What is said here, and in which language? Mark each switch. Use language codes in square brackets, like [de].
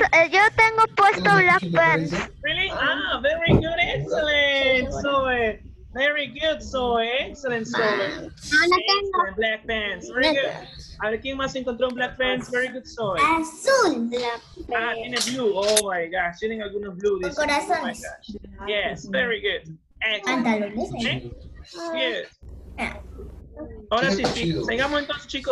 [es] Yo tengo puesto [en] black pants. Really? Ah, very good, excellent, Zoe. Very good, Zoe. Excellent, Zoe. [es] No tengo. [en] Black pants, very good. [es] A ver, ¿quién más encontró [en] black pants? Very good, Zoe. [es] Azul. Ah, tiene blue. [en] Oh my gosh, [es] tienen algunos [en] blue. [es] Corazones. [en] Oh my gosh. Yes, very good. Excellent. [es] Pantalones. [en] Yes. [es] Ahora sí, chicos. Sigamos entonces, chicos.